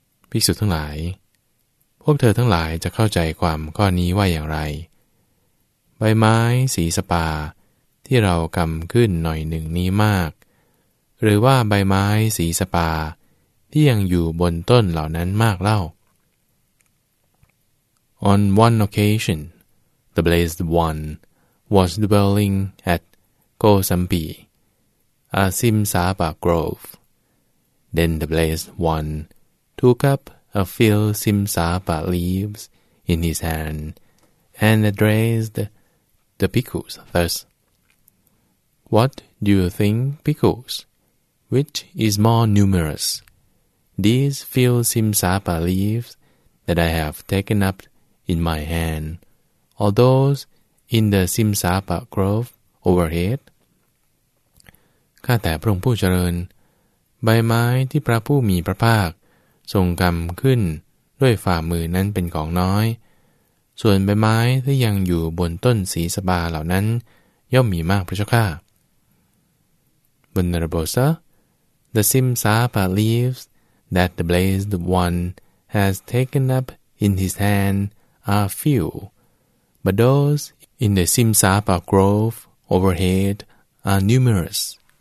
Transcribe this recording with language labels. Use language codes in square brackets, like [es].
[th] ภิกษุทั้งหลายพวกเธอทั้งหลายจะเข้าใจความข้อนี้ว่าอย่างไรใบไม้สีสปาที่เรากำขึ้นหน่อยหนึ่งนี้มากหรือว่าใบไม้สีสปาที่ยังอยู่บนต้นเหล่านั้นมากเล่า [en] On one occasion, the Blessed One was dwelling at Kosambi, a Simsapa grove. Then the Blessed One took up a few Simsapa leaves in his hand and addressed the bhikkhus thus, What do you think, bhikkhus? Which is more numerous? These few Simsapa leaves that I have taken up in my hand, or those in the Simsapa grove overhead? [th] ข้าแต่พระองค์ผู้เจริญใบไม้ที่พระผู้มีพระภาคทรงกำขึ้นด้วยฝ่ามือนั้นเป็นของน้อย ส่วนใบไม้ที่ยังอยู่บนต้นสีสปาเหล่านั้นย่อมมีมากพระเจ้าข้า [en] Venerable sir, the Simsapa leaves that the Blessed One has taken up in his hand are few, but those in the Simsapa grove overhead are numerous.